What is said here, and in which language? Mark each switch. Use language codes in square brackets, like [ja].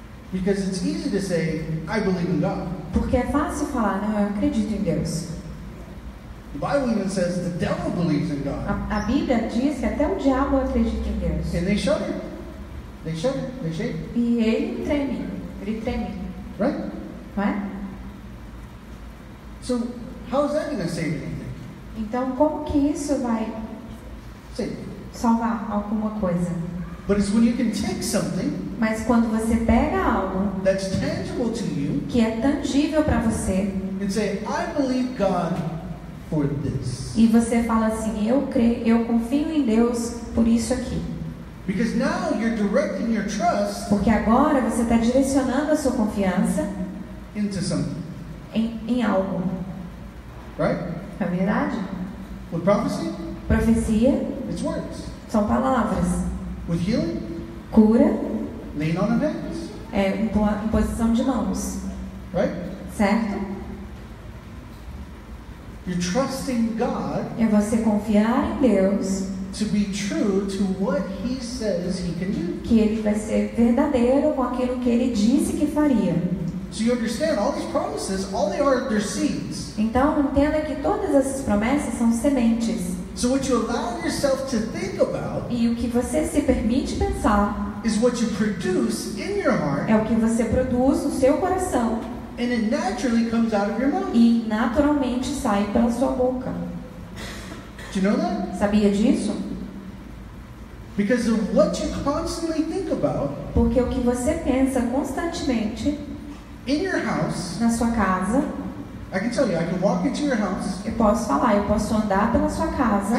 [en] Because it's easy to say, I believe in God. [pt] Porque é fácil falar, não, eu acredito em Deus. [en] The Bible even says the devil believes in God. [pt] A Bíblia diz que até o diabo acredita em Deus. [en] And they shudder. They shudder. They shake. [pt] E ele treme. [en] Right? Right? So, how is that going to save anything? [pt] Então, como que isso vai salvar alguma coisa? [en] But it's when you can take something. [pt] Mas quando você pega algo [en] that's tangible to you, [pt] que é tangível para você, [en] and say, I believe God for this. [pt] E você fala assim, eu confio em Deus por isso aqui. [en] Because now you're directing your trust. [pt] Porque agora você está direcionando a sua confiança [en] into something. [pt] Em algo. [en] Right? [pt] É verdade? [en] With prophecy? [pt] Profecia? [en] It's words. [pt] São palavras. [en] With healing? [pt] Cura? [en] Lean on hands. [pt] É em posição de mãos. [en] Right? [pt] Certo? [en] You're trusting God. [pt] É você confiar em Deus. [en] To be true to what he says he can do. [pt] Que ele vai ser verdadeiro com aquilo que ele disse que faria. [en] So you understand all these promises, all they are, they're seeds. [pt] Então entenda que todas essas promessas são sementes. [en] So what you allow yourself to think about, [pt] e o que você se permite pensar, [en] is what you produce in your heart, [pt] é o que você produz no seu coração, [en] and it naturally comes out of your mouth, [pt] e naturalmente sai pela sua boca. [en] Do you know that? [pt] Sabia disso? [en] Because of what you constantly think about, [pt] porque o que você pensa constantemente [en] in your house, [pt] na sua casa. [en] I can tell you, I can walk into your house. [pt] Eu posso falar, eu posso andar pela sua casa.